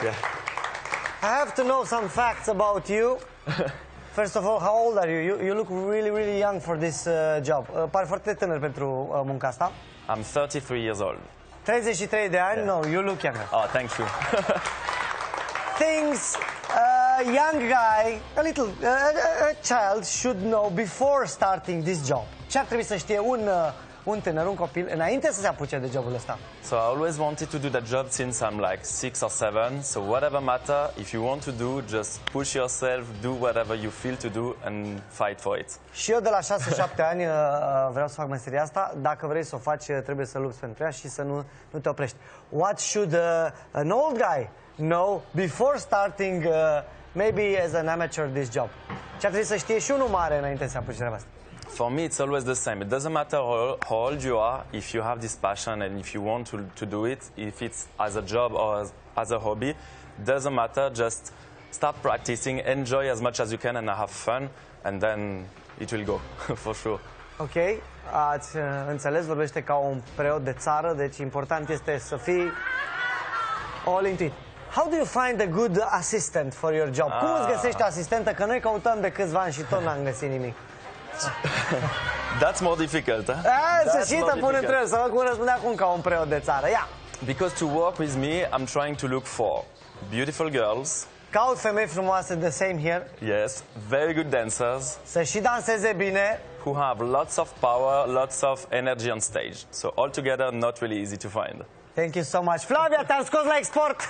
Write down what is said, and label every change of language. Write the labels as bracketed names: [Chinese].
[English] Yeah. I have to know some facts about you. First of all, how old are you? You look really, really young for this job. [Romanian] Pare foarte tânăr pentru munca asta. [English] I'm 33 years old. [Romanian] 33 de ani? [English] Yeah. No, you look younger. Oh, thank you. Things a young guy, a little, a child should know before starting this job. [Romanian] Ce ar trebui să știe un tânăr, un copil, înainte să se apuce de jobul ăsta? [English] So I always wanted to do that job since I'm like 6 or 7. So whatever matter, if you want to do, just push yourself, do whatever you feel to do and fight for it. [Romanian] Și eu de la 6-7 ani vreau să fac meseria asta. Dacă vrei să o faci, trebuie să lupți pentru ea și să nu te oprești. [English] What should an old guy know before starting maybe as an amateur this job? [Romanian] Ce ar trebui să știe și unul mare înainte să se apuce de asta? [English] For me, it's always the same. It doesn't matter how old you are, if you have this passion and if you want to do it, if it's as a job or as a hobby, doesn't matter, just start practicing, enjoy as much as you can and have fun, and then it will go, for sure. [Romanian] Ok, ați înțeles, vorbește ca un preot de țară, deci important este să fii [English] all into it. How do you find a good assistant for your job? [Romanian] Cum îți găsești asistentă? Că noi căutăm de câțiva ani și tot n-am găsit nimic. [English] That's more difficult. [Romanian] Să și te pun întrebări, să văd cum răspunde acum ca un preot de țară. Ia. [English] Because to work with me, I'm trying to look for beautiful girls. [Romanian] Caut femei frumoase, [English] the same here. Yes, very good dancers. [Romanian] Să și danseze bine. [English] Who have lots of power, lots of energy on stage. So altogether, not really easy to find. Thank you so much. Flavia, [Romanian] te-am scos la export.